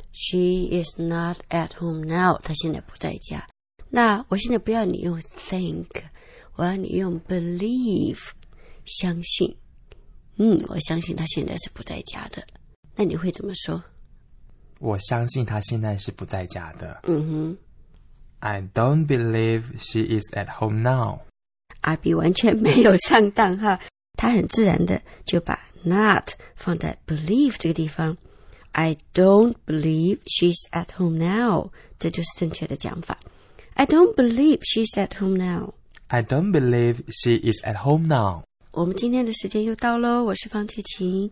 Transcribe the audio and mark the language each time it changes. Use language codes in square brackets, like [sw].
[en] She is not at home now， [zh] 他现在不在家。那我现在不要你用 think。我要你用 believe 相信，嗯，我相信他现在是不在家的。那你会怎么说？我相信他现在是不在家的。嗯哼。 [en] I don't believe she is at home now. [zh] 阿比完全没有上当哈，他很自然的就把 not 放在 believe 这个地方。 [en] I don't believe she's at home now. [zh] 这就是正确的讲法。 [en] I don't believe she's at home now. I don't believe she is at home now. [zh] 我们今天的时间又到咯，我是方翠琴，